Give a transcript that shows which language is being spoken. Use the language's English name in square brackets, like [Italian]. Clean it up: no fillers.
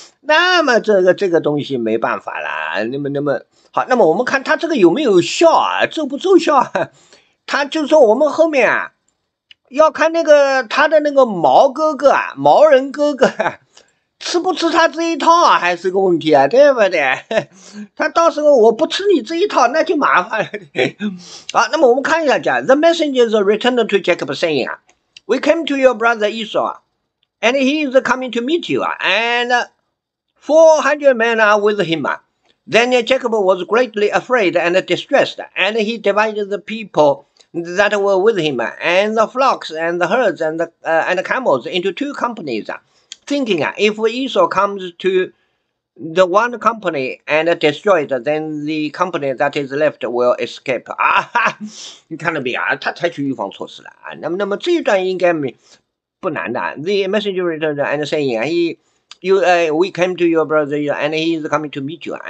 [Chinese] 那么这个东西没办法了。那么好，那么我们看他这个有没有效啊，奏不奏效啊？他就说我们后面啊要看那个他的那个毛哥哥啊，毛人哥哥啊，吃不吃他这一套啊，还是个问题啊，对不对？他到时候我不吃你这一套，那就麻烦了。好，那么我们看一下讲 [English] ,The messenger is returned to Jacob saying, We came to your brother Esau, and he is coming to meet you, and 400 men are with him. Then Jacob was greatly afraid and distressed, and he divided the people that were with him, and the flocks, and the herds, and the camels into two companies. Thinking, if Esau comes to the one company and destroyed, then the company that is left will escape. [Chinese] 啊哈，你看到没有啊？他采取预防措施了啊。那么这一段应该不难的。 [English] The messenger returned and saying, we came to your brother and he is coming to meet you.